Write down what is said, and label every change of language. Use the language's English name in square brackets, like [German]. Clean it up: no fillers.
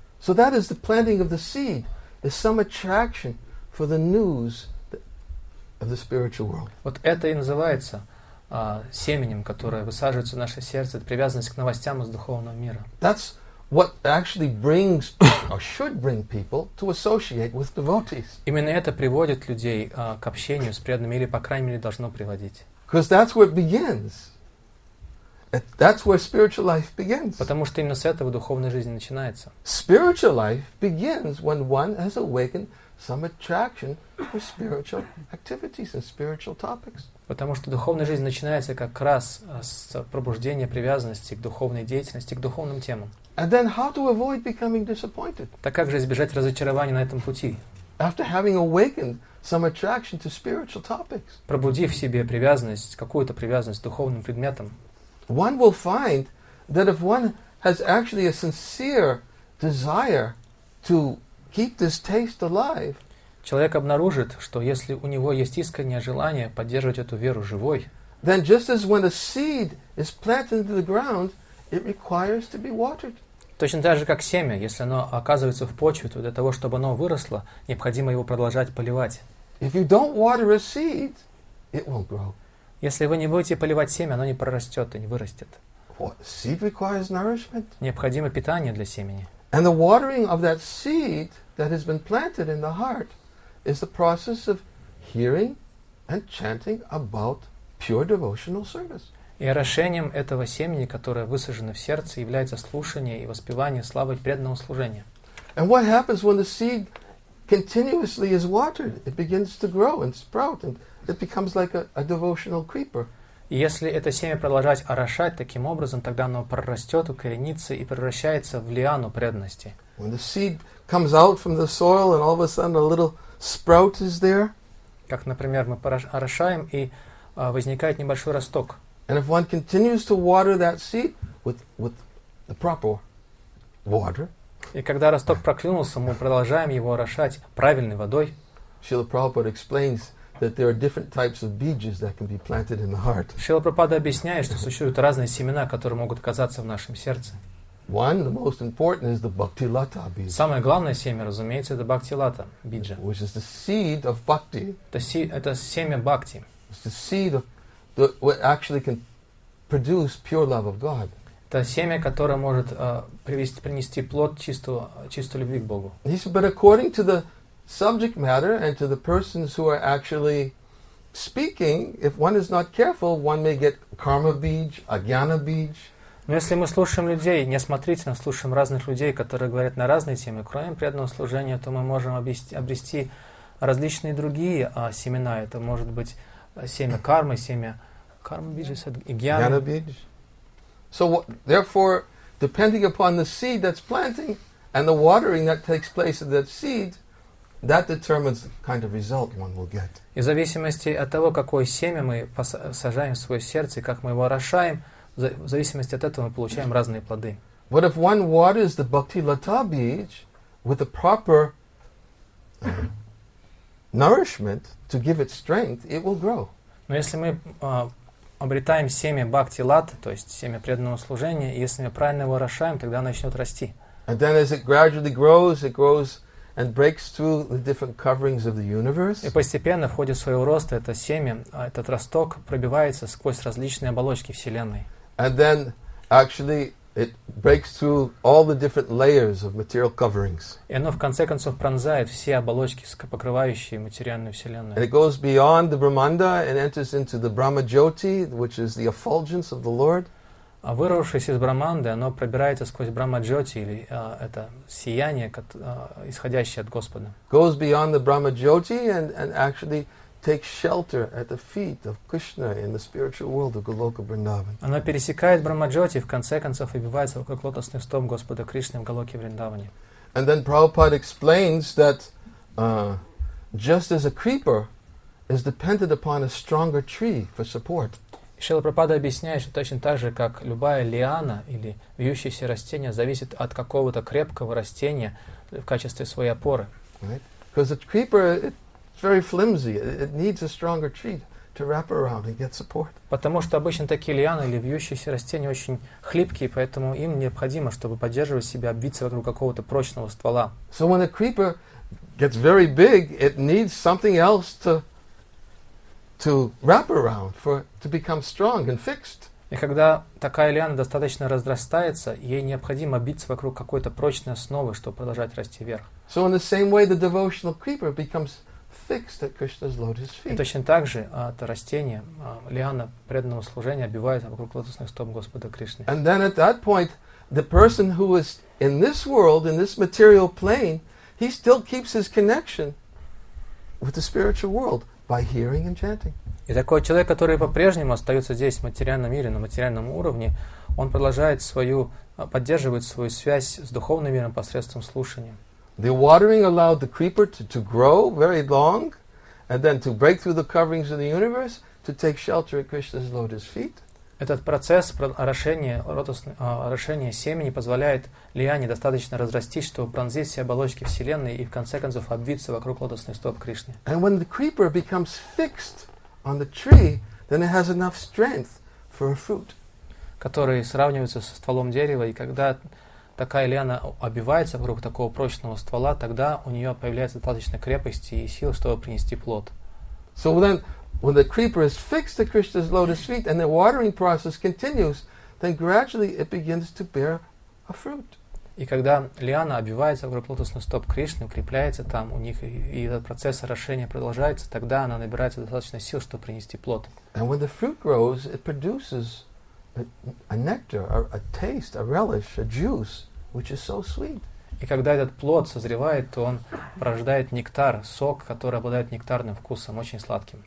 [English] So that is the planting of the seed, is some attraction for the news of the spiritual world. [Russian] Вот это и называется семенем, которое высаживается в наше сердце, это привязанность к новостям из духовного мира. [English] That's what actually brings or should bring people to associate with devotees. [Russian] Именно это приводит людей к общению с преданными или, по крайней мере, должно приводить. [English] Because that's where it begins. That's where spiritual life begins. [Russian] Потому что именно с этого духовная жизнь начинается. [English] Spiritual life begins when one has awakened some attraction for spiritual activities and spiritual topics. [Russian] Потому что духовная жизнь начинается как раз с пробуждения привязанности к духовной деятельности, к духовным темам. [English] And then how to avoid becoming disappointed? [Russian] Так как же избежать разочарования на этом пути? [English] After having awakened some attraction to spiritual topics. [Russian] Пробудив в себе привязанность, какую-то привязанность к духовным предметам. [English] One will find that if one has actually a sincere desire to keep this taste alive. [Russian] Человек обнаружит, что если у него есть искреннее желание поддерживать эту веру живой, [English] then just as when a seed is planted into the ground, it requires to be watered. [Russian] Точно так же, как семя, если оно оказывается в почве, то для того, чтобы оно выросло, необходимо его продолжать поливать. [English] If you don't water a seed, it won't grow. [Russian] Если вы не будете поливать семя, оно не прорастет и не вырастет. [English] What? Seed requires nourishment. [Russian] Необходимо питание для семени. [English] And the watering of that seed that has been planted in the heart is the process of hearing and chanting about pure devotional service. [Russian] И орошением этого семени, которое высажено в сердце, является слушание и воспевание славы преданного служения. [English] And what happens when the seed continuously is watered? It begins to grow and sprout, and it becomes like a devotional creeper. [Russian] И если это семя продолжать орошать таким образом, тогда оно прорастет, укоренится и превращается в лиану преданности. [English] When the seed comes out from the soil and all of a sudden a little sprout is there. [Russian] Как, например, мы орошаем и возникает небольшой росток. [English] And if one continues to water that seed with the proper water. [Russian] И когда росток проклюнулся, мы продолжаем его орошать правильной водой. [English] Srila Prabhupada explains that there are different types of bijas that can be planted in the heart. [Russian] Srila Prabhupada объясняет, что существуют разные семена, которые могут оказаться в нашем сердце. [English] One, the most important is the bhakti lata bija. [Russian] Самое главное семя, разумеется, это bhakti lata bija. [English] Which is the seed of bhakti. [Russian] Это семя бхакти. [English] It's the seed of what actually can produce pure love of God. [Russian] Это семя, которое может принести плод чистой любви к Богу. [English] But according to the subject matter and to the persons who are actually speaking, if one is not careful, one may get karma bij, agyana bij. [Russian] Но если мы слушаем людей, неосмотрительно слушаем разных людей, которые говорят на разные темы, кроме преданного служения, то мы можем обрести различные другие семена. Это может быть семя кармы, семя карма бидж, агьяна бидж. [English] So therefore, depending upon the seed that's planting and the watering that takes place of that seed, that determines the kind of result one will get. [Russian] И в зависимости от того, какое семя мы сажаем в свое сердце, как мы его орошаем, в зависимости от этого мы получаем разные плоды. [English] But if one waters the bhakti lata bij with the proper nourishment to give it strength, it will grow. [Russian] Но если мы обретаем семя бхакти лата, то есть семя преданного служения, и если мы правильно его орошаем, тогда оно начнет расти. [English] And then as it gradually grows, it grows and breaks through the different coverings of the universe. [Russian] И постепенно в ходе своего роста это семя, этот росток пробивается сквозь различные оболочки вселенной. [English] And then actually it breaks through all the different layers of material coverings. [Russian] И оно в конце концов пронзает все оболочки, покрывающие материальную вселенную. [English] And it goes beyond the Brahmanda and enters into the Brahmajyoti, which is the effulgence of the Lord. [Russian] А вырвавшись из Брахманды, оно пробирается сквозь Брахмаджоти, или это сияние, исходящее от Господа. [English] Goes beyond the Brahmajyoti and actually takes shelter at the feet of Krishna in the spiritual world of Goloka Vrindavan. [Russian] Оно пересекает Брахмаджоти, в конце концов обивается вокруг лотосных стоп Господа Кришны в Голоке Вриндаване. [English] And then Prabhupada explains that just as a creeper is dependent upon a stronger tree for support. [Russian] Шрила Прабхупада объясняет, что точно так же, как любая лиана или вьющееся растение зависит от какого-то крепкого растения в качестве своей опоры. [English] Because a creeper, it's very flimsy. It needs a stronger tree to wrap around and get support. [Russian] Потому что обычно такие лианы или вьющиеся растения очень хлипкие, поэтому им необходимо, чтобы поддерживать себя, обвиться вокруг какого-то прочного ствола. [English] So when a creeper gets very big, it needs something else to wrap around for to become strong and fixed. [Russian] И когда такая лиана достаточно разрастается, ей необходимо биться вокруг какой-то прочной основы, чтобы продолжать расти вверх. [English] So in the same way the devotional creeper becomes fixed at Krishna's lotus feet. [Russian] И точно так же это растение, лиана преданного служения обвивается вокруг лотосных стоп Господа Кришны. [English] And then at that point the person who is in this world, in this material plane, he still keeps his connection with the spiritual world by hearing and chanting. [Russian] И такой человек, который по-прежнему остается здесь, в материальном мире, на материальном уровне, он продолжает свою, поддерживает свою связь с духовным миром посредством слушания. [English] The watering allowed the creeper to grow very long, and then to break through the coverings of the universe, to take shelter at Krishna's lotus feet. [Russian] Этот процесс орошения, орошения семени позволяет лиане достаточно разрастись, чтобы пронзить все оболочки Вселенной и в конце концов обвиться вокруг лотосных стоп Кришны. [English] And when the creeper becomes fixed on the tree, then it has enough strength for a fruit. [Russian] Который сравнивается со стволом дерева, и когда такая лиана обвивается вокруг такого прочного ствола, тогда у нее появляется достаточно крепости и сил, чтобы принести плод. [English] So then, when the creeper is fixed to Krishna's lotus feet and the watering process continues, then gradually it begins to bear a fruit. [Russian] И когда лиана обвивается вокруг лотосных стоп Кришны, укрепляется там у них, и этот процесс орошения продолжается, тогда она набирается достаточно сил, чтобы принести плод. [English] And when the fruit grows, it produces a nectar, a taste, a relish, a juice, which is so sweet. [Russian] И когда этот плод созревает, то он порождает нектар, сок, который обладает нектарным вкусом, очень сладким.